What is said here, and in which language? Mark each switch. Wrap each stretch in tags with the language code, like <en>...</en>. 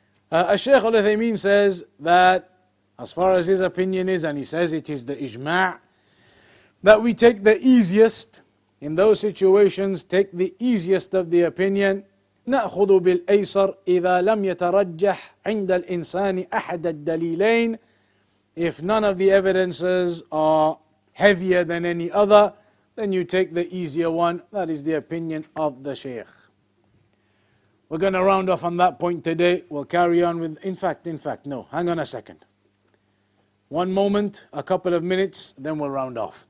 <en>Al-Shaykh Al-Uthaymeen says that, as far as his opinion is, and he says it is the ijma', that we take the easiest in those situations, take the easiest of the opinion.</en> <ar>نأخذ بالأيسر إذا لم يترجح عند الإنسان أحد الدليلين.</ar> <en>If none of the evidences are heavier than any other, then you take the easier one. That is the opinion of the Shaykh. We're going to round off on that point today. We'll carry on with, no, hang on a second. One moment, a couple of minutes, then we'll round off.</en>